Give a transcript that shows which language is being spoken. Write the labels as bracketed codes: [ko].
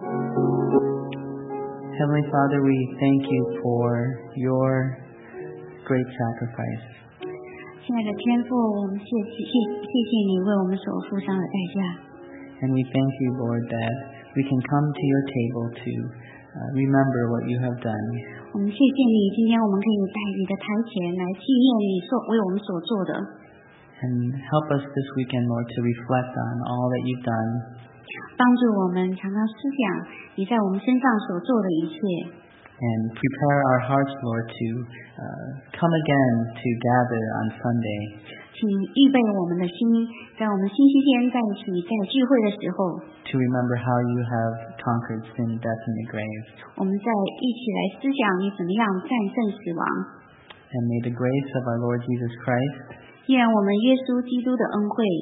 [en] Father, we thank you for your great sacrifice. [zh] 亲爱的天父，我们谢谢你为我们所付上的代价。 [en] And we thank you, Lord, that we can come to your table to remember what you have done. [zh] 我们谢谢你，今天我们可以在你的台前来纪念你所为我们所做的。 [en] And help us this weekend, Lord, to reflect on all that you've done. [zh] 帮助我们常常思想你在我们身上所做的一切。 [en] And prepare our hearts, Lord, to come again to gather on Sunday. [zh] 请预备我们的心，在我们星期天在一起在聚会的时候。 [en] To remember how you have conquered sin, death, and the grave. [zh] 我们再一起来思想你怎么样战胜死亡。 [en] And may the grace of our Lord Jesus Christ. [zh] 愿我们耶稣基督的恩惠。